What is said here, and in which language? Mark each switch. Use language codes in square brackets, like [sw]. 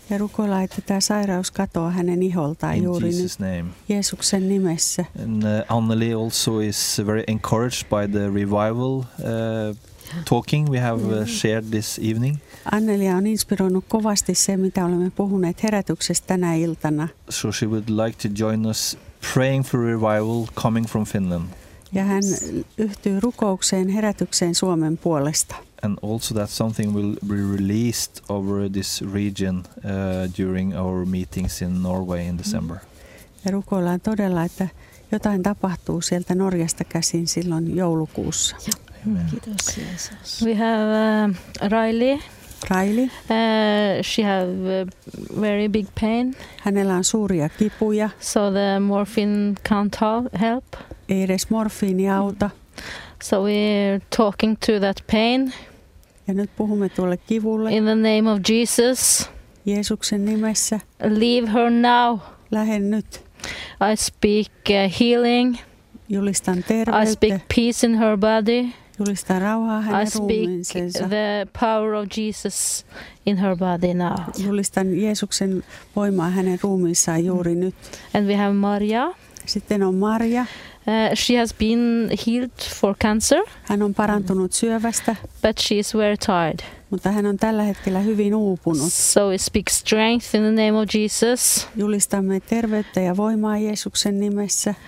[fi] Ja rukoilla, että tämä sairaus katoaa hänen iholtaan juuri nyt. [en] In Jesus' name. [fi] Jeesuksen nimessä. [en] And Anneli also is very encouraged by the revival talking we have shared this evening. [fi] Annelia on inspiroinut kovasti se, mitä olemme puhuneet herätyksestä tänä iltana. [en] So she would like to join us praying for revival coming from Finland. [fi] Ja hän yhtyy rukoukseen herätykseen Suomen puolesta. [en] And also that something will be released over this region during our meetings in Norway in December. [fi] Ja rukoillaan todella, että jotain tapahtuu sieltä Norjasta käsin silloin joulukuussa. Kiitos, [en] Jesus. We have Riley. Riley. She have very big pain. [fi] Hänellä on suuria kipuja. [en] So the morphine can't help. [fi] Ei edes morfiini auta. [en] So we're talking to that pain. [fi] Ja nyt puhumme tuolle kivulle. [en] In the name of Jesus. [fi] Jeesuksen nimessä. [en] Leave her now. [fi] Lähen nyt. [en] I speak healing. [fi] Julistan terveyttä. [en] I speak peace in her body. [fi] Julistan rauhaa hänen ruumiinsa. [en] I speak the power of Jesus in her body now. [fi] Julistan Jeesuksen voimaa hänen ruumiinsaan juuri nyt. [en] And we have Maria. [fi] Sitten on Maria. [en] She has been healed for cancer. [fi] Hän on parantunut syövästä. [en] But she is very tired. [fi] Mutta hän on tällä hetkellä hyvin uupunut. [en] So we speak strength in the name of Jesus. [fi] Julistamme terveyttä ja voimaa Jeesuksen nimessä.